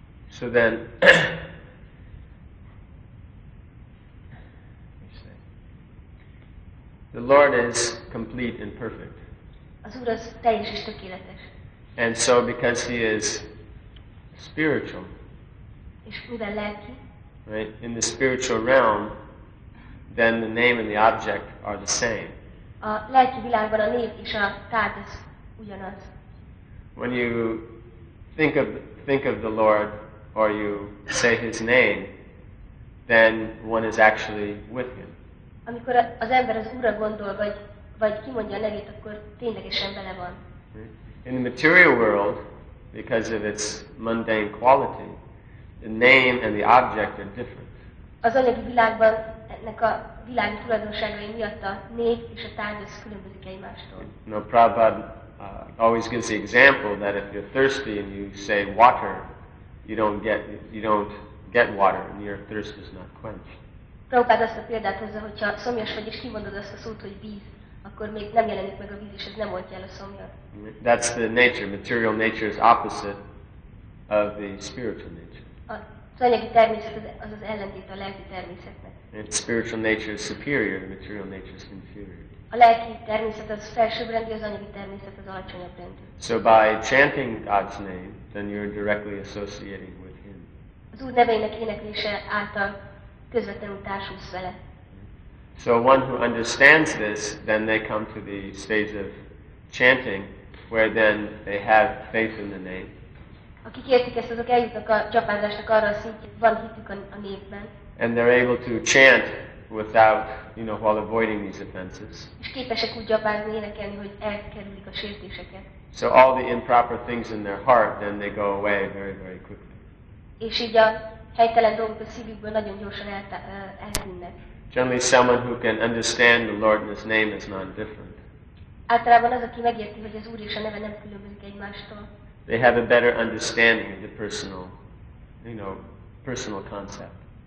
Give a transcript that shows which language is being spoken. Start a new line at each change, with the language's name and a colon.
English: So then, the Lord is complete and perfect.
Hungarian: Az Úr az teljes és tökéletes.
English: And so, because He is spiritual,
Hungarian: és minden lelki,
English: right? In the spiritual realm, then the name and the object are the same.
Hungarian: A lelki világban a név és a tárgy az ugyanaz.
English: When you think of the Lord, or you say His name, then one is actually with Him.
Hungarian: Amikor az ember az Úrra gondol, vagy kimondja a nevét, akkor ténylegesen vele van.
English: In the material world, because of its mundane quality, the name and the object are different.
Hungarian: Az anyagi világban, ennek a világi tulajdonságai miatt a név és a tárgy az különbözik egymástól.
English: No, Prabhupada always gives the example that if you're thirsty and you say water, you don't get water and your thirst is not quenched.
Hungarian: Prabhupád azt a példát hozza, hogyha szomjas vagy és kimondod azt a szót, hogy víz, akkor még nem jelenik meg a víz, és ez nem oltja el a szomjat.
English: That's the nature. Material nature is opposite of the spiritual nature.
Hungarian: Az anyagi természet az ellentét a lelki természetnek.
English: And spiritual nature is superior, material nature is inferior.
Hungarian: A lelki természet az felsőbb rendű, az anyagi természet az alacsonyabb rendű.
English: So by chanting God's name, then you're directly associating with Him.
Hungarian: Az Úr nevének éneklése által közvetlenül társulsz vele.
English: So one who understands this, then they come to the stage of chanting, where then they have faith in the name.
Hungarian: Akik értik ezt, azok eljutnak a csapázásnak arra a szintjén, hogy van hitük a névben.
English: And they're able to chant without, you know, while avoiding these offenses.
Hungarian: És képesek úgy gyabázni, énekelni, hogy elkerülik a sértéseket.
English: So all the improper things in their heart, then they go away very, very quickly.
Hungarian: és így a helytelen dolgok a szívükből nagyon gyorsan eltűnnek.
English: Generally, someone who can understand the Lord and His name is not different.
Hungarian: Általában az, aki megérti, hogy az Úr és a neve nem különbözik egymástól.
English: They have a better understanding of the personal, you know, personal concept.